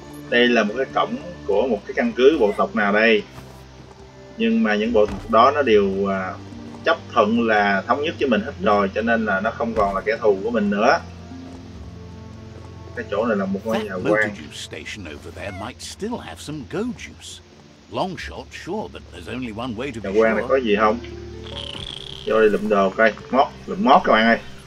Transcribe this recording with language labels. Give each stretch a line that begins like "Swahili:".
Vietnamese: Đây là một cái cổng của một cái căn cứ bộ tộc nào đây. Nhưng mà những bộ tộc đó nó đều chấp thuận là thống nhất với mình hết rồi, cho nên là nó không còn là kẻ thù của mình nữa. Cái chỗ này là một ngôi nhà quan.
English: That Goju station over there might still have some Goju. Long shot, sure, but there's only one way to be sure.
Vietnamese: Nhà quan này có gì không? Vô đi lượm đồ coi, mót, lượm mót các bạn ơi.